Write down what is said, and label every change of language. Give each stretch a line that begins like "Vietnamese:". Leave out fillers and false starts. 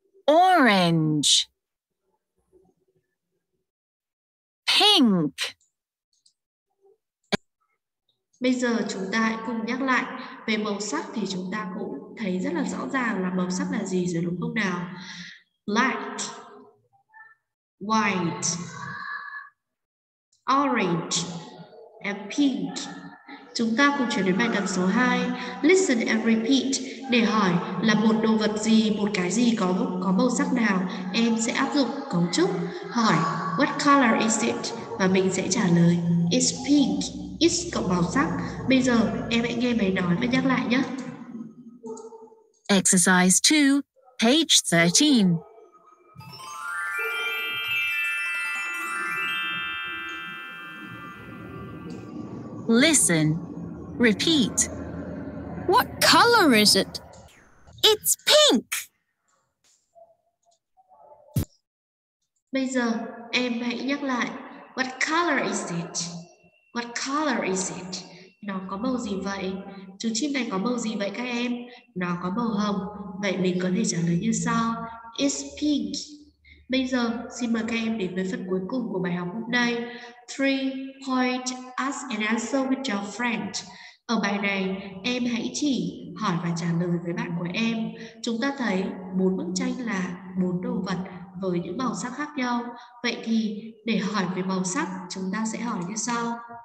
English: Orange. Pink.
Vietnamese: Bây giờ chúng ta hãy cùng nhắc lại về màu sắc thì chúng ta cũng thấy rất là rõ ràng là màu sắc là gì rồi đúng không nào?
English: Black, white, orange and pink.
Vietnamese: Chúng ta cùng chuyển đến bài tập số 2.
English: Listen and repeat
Vietnamese: để hỏi là một đồ vật gì, một cái gì có màu sắc nào. Em sẽ áp dụng cấu trúc hỏi
English: what color is it?
Vietnamese: Và mình sẽ trả lời
English: it's pink.
Vietnamese: It's cộng màu sắc. Bây giờ em hãy nghe mày nói và nhắc lại nhé.
English: Exercise 2, page 13. Listen. Repeat. What color is it? It's pink.
Vietnamese: Bây giờ em hãy nhắc lại.
English: What color is it? What color is it?
Vietnamese: Nó có màu gì vậy? Chú chim này có màu gì vậy các em? Nó có màu hồng. Vậy mình có thể trả lời như sau.
English: It's pink.
Vietnamese: Bây giờ xin mời các em đến với phần cuối cùng của bài học hôm nay.
English: 3-point ask and answer with your friend.
Vietnamese: Ở bài này, em hãy chỉ hỏi và trả lời với bạn của em. Chúng ta thấy bốn bức tranh là bốn đồ vật với những màu sắc khác nhau. Vậy thì để hỏi về màu sắc, chúng ta sẽ hỏi như sau.